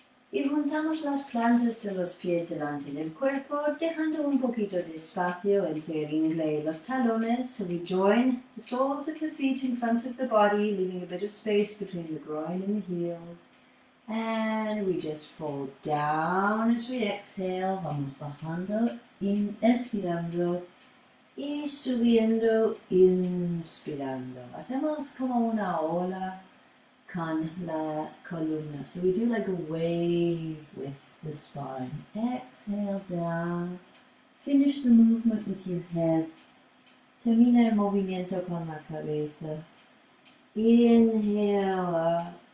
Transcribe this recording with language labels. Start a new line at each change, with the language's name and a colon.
Spanish: Y juntamos las plantas de los pies delante del cuerpo, dejando un poquito de espacio entre el inglés y los talones.
English: So we join the soles of the feet in front of the body, leaving a bit of space between the groin and the heels. And we just fold down as we exhale,
Spanish: vamos bajando, inspirando. Y subiendo, inspirando. Hacemos como una ola con la columna.
English: So we do like a wave with the spine. Exhale down. Finish the movement with your head.
Spanish: Termina el movimiento con la cabeza.
English: Inhale up.